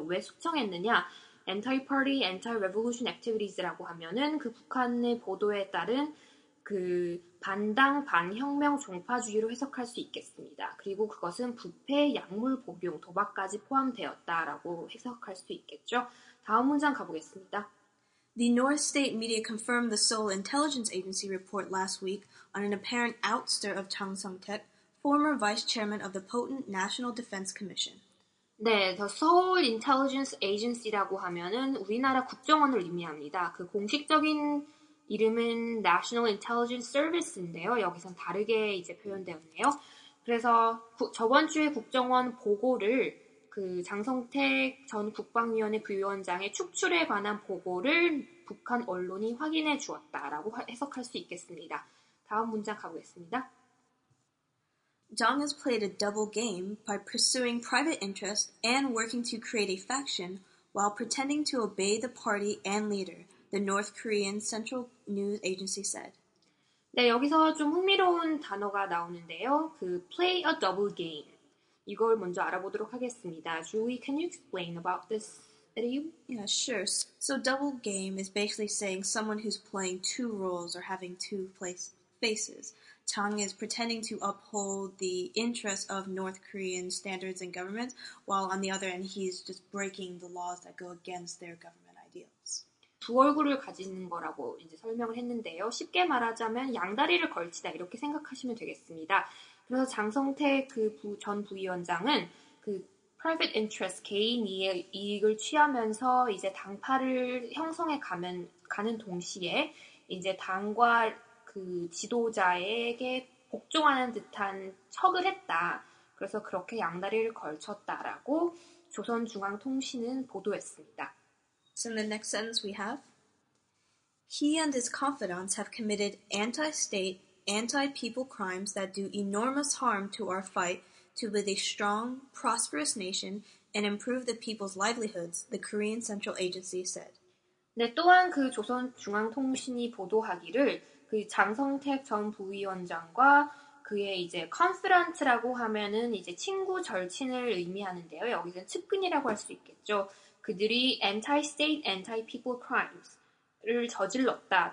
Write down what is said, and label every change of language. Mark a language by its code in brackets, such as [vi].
[ko] 왜 숙청했느냐? [en] Anti-party, anti-revolution activities [ko] 라고 하면은 그 북한의 보도에 따른 그 반당, 반혁명 종파주의로 해석할 수 있겠습니다. 그리고 그것은 부패, 약물 복용, 도박까지 포함되었다라고 해석할 수 있겠죠. 다음 문장 가보겠습니다. [en] The North State media confirmed the Seoul Intelligence Agency report last week on an apparent ouster of Chang Sung-taek, former vice chairman of the potent National Defense Commission. [ko] 네, The Seoul Intelligence Agency라고 하면은 우리나라 국정원을 의미합니다. 그 공식적인 이름은 National Intelligence Service인데요. 여기선 다르게 이제 표현되었네요. 그래서 저번 주에 국정원 보고를 그 장성택 전 국방위원회 부위원장의 축출에 관한 보고를 북한 언론이 확인해 주었다라고 해석할 수 있겠습니다. 다음 문장 가보겠습니다. [en] Jong has played a double game by pursuing private interests and working to create a faction while pretending to obey the party and leader. The North Korean Central News Agency said. [ko] 네, 여기서 좀 흥미로운 단어가 나오는데요. [en] 그 play a double game. [ko] 이걸 먼저 알아보도록 하겠습니다. [en] Julie, can you explain about this? Yeah, sure. So double game is basically saying someone who's playing two roles or having two faces. Chang is pretending to uphold the interests of North Korean standards and governments, while on the other end, he's just breaking the laws that go against their government ideals. [ko] 두 얼굴을 가지는 거라고 이제 설명을 했는데요. 쉽게 말하자면 양다리를 걸치다 이렇게 생각하시면 되겠습니다. 그래서 장성택 그 전 부위원장은 그 private interest 개인 이익을 취하면서 이제 당파를 형성해 가는 동시에 이제 당과 그 지도자에게 복종하는 듯한 척을 했다. 그래서 그렇게 양다리를 걸쳤다라고 조선중앙통신은 보도했습니다. [en] So in the next sentence we have, he and his confidants have committed anti-state, anti-people crimes that do enormous harm to our fight to build a strong, prosperous nation and improve the people's livelihoods, the Korean Central Agency said. [ko] 네, 또한 그 조선중앙통신이 보도하기를 그 장성택 전 부위원장과 그의 이제 confidant라고 하면은 이제 친구 절친을 의미하는데요. 여기서는 측근이라고 할 수 있겠죠. 그들이 [en] anti-state, anti-people crimes [ko] 를 저질렀다.